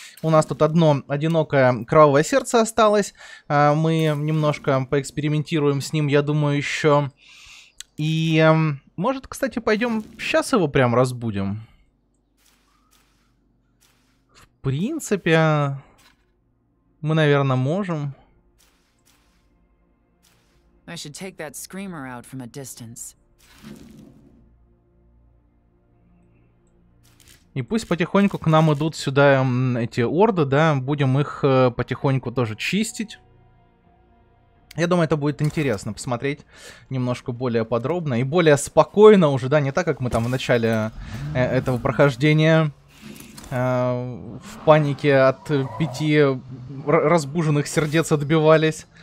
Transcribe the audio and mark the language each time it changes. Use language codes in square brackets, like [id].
[ru] У нас тут одно одинокое кровавое сердце осталось, мы немножко поэкспериментируем с ним, я думаю, еще. И, может, кстати, пойдем сейчас его прям разбудим. В принципе, мы, наверное, можем... [en] I should take that screamer out from a distance. [ru] И пусть потихоньку к нам идут сюда эти орды, да, будем их потихоньку тоже чистить. Я думаю, это будет интересно посмотреть немножко более подробно и более спокойно уже, да, не так, как мы там в начале этого прохождения в панике от пяти разбуженных сердец отбивались.